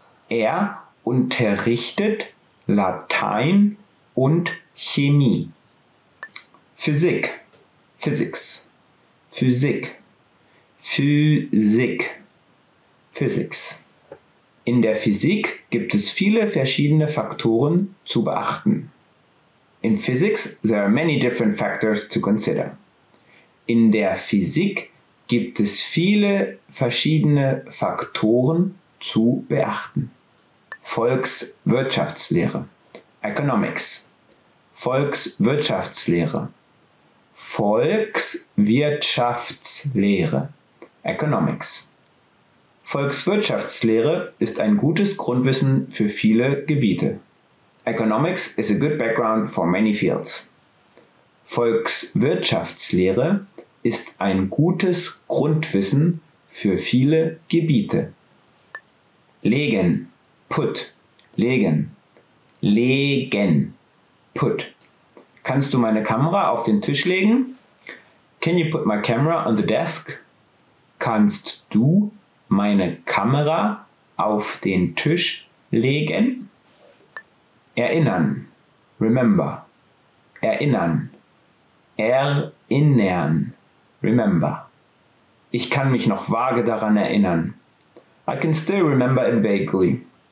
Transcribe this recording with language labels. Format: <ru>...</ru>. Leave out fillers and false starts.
<de>Er unterrichtet Latein und Chemie. Physik, Physics, Physik, Physik, Physics. In der Physik gibt es viele verschiedene Faktoren zu beachten.</de> <en>In physics, there are many different factors to consider.</en> <de>In der Physik gibt es viele verschiedene Faktoren zu beachten. Volkswirtschaftslehre, Economics. Volkswirtschaftslehre, Volkswirtschaftslehre, Economics. Volkswirtschaftslehre ist ein gutes Grundwissen für viele Gebiete.</de> <en>Economics is a good background for many fields.</en> <de>Volkswirtschaftslehre ist ein gutes Grundwissen für viele Gebiete. Legen, put, legen, legen, put. Kannst du meine Kamera auf den Tisch legen?</de> <en>Can you put my camera on the desk?</en> <de>Kannst du meine Kamera auf den Tisch legen? Erinnern, remember, erinnern, erinnern, remember. Ich kann mich noch vage daran erinnern.</de> <en>I can still remember it vaguely.</en>